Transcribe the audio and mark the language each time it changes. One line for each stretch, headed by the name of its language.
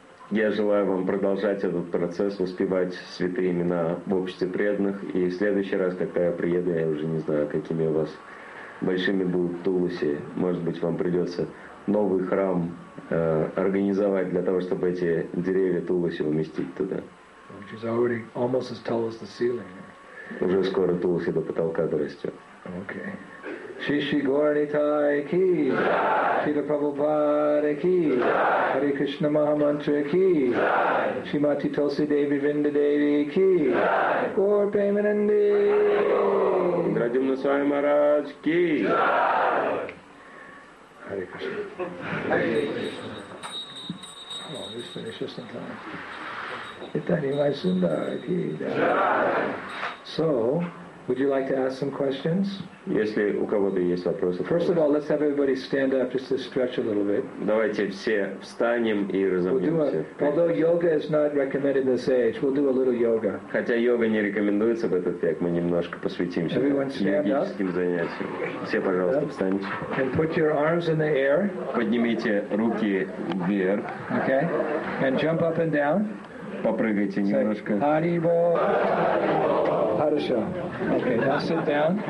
Russian: Я желаю вам продолжать этот процесс, воспевать святые имена в обществе преданных. И в следующий раз, когда я приеду, я уже не знаю, какими у вас большими будут туласи. Может быть, вам придется новый храм организовать для того, чтобы эти деревья туласи уместить туда.
English: Which is already almost as tall as the ceiling.
Russian: Уже скоро туласи до потолка дорастет.
Sanskrit: Okay. Shishi Gauranitai ki, Shri Prabhupada ki, Hare Krishna Mahamantra ki, Shrimati Tulsi Devi Vrinda Devi ki, Gaur Prema Nandi. Indrajyumna Swami Maharaj ki.
English: Hare Krishna. Hare Krishna. Oh, let's finish this in time.
Sanskrit: Itani Vai Sundara ki.
English: So, would you like to ask some questions?
Russian: Если у кого-то есть вопросы.
English: First of all, let's have everybody stand up just to stretch a little bit.
Russian: Давайте все встанем и разомнемся.
English: Although yoga is not recommended in this age, we'll do a little yoga.
Russian: Хотя йога не рекомендуется в этот век, мы немножко посвятимся йогическим занятиям. Все, пожалуйста, встаньте.
English: And put your arms in the air.
Russian: Поднимите руки вверх.
English: Okay. And jump up and down.
Russian: Попрыгайте немножко. Харибо. Хорошо.
English: Okay, now sit down.